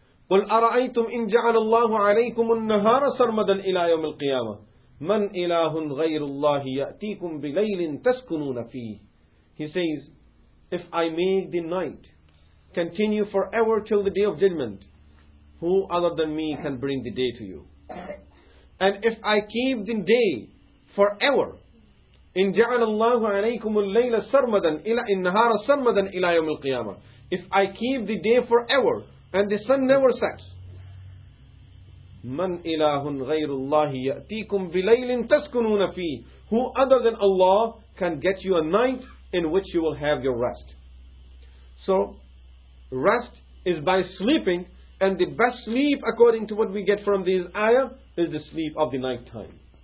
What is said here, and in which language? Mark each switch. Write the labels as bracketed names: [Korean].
[Arabic] قُلْ أَرَأَيْتُمْ إِنْ جَعَلَ اللَّهُ عَلَيْكُمُ النَّهَارَ سَرْمَدًا إِلَى يَوْمِ الْقِيَامَةِ مَنْ إِلَهٌ غَيْرُ اللَّهِ يَأْتِيكُمْ بِلَيْلٍ تَسْكُنُونَ فِيهِ. [English] He says, if I make the night continue forever till the day of judgment, who other than me can bring the day to you? And if I keep the day forever, [Arabic] إِنْ جَعَلَ اللَّهُ عَلَيْكُمُ اللَّيْلَ سَرْمَدًا إِلَى النَّهَارَ سَرْمَدًا إِلَى يَوْمِ الْقِيَامَةِ. [English] If I keep the day forever and the sun never sets, [Arabic] مَنْ إِلَهٌ غَيْرُ اللَّهِ يَأْتِيكُمْ بِلَيْلٍ تَسْكُنُونَ فِيهِ. [English] Who other than Allah can get you a night in which you will have your rest? So rest is by sleeping, and the best sleep, according to what we get from this ayah, is the sleep of the night time.